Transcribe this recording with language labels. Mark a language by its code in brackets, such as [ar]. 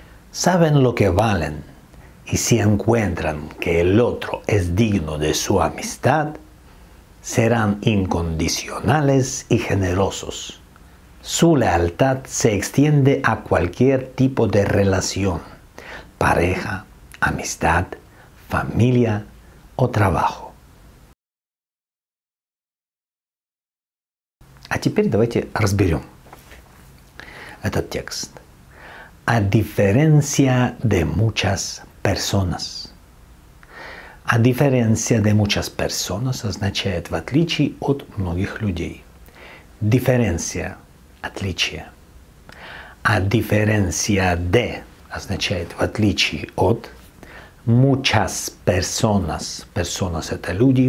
[es] Saben lo que valen, y si encuentran que el otro es digno de su amistad, serán incondicionales y generosos. Su lealtad se extiende a cualquier tipo de relación, pareja, amistad, familia o trabajo. [ru] А теперь давайте разберем этот текст. [es] A diferencia de muchas personas. A diferencia de muchas personas [ru] означает в отличие от многих людей. Diferencia – отличие. [es] A diferencia de [ru] означает в отличие от. [es] Muchas personas. Personas – [ru] это люди.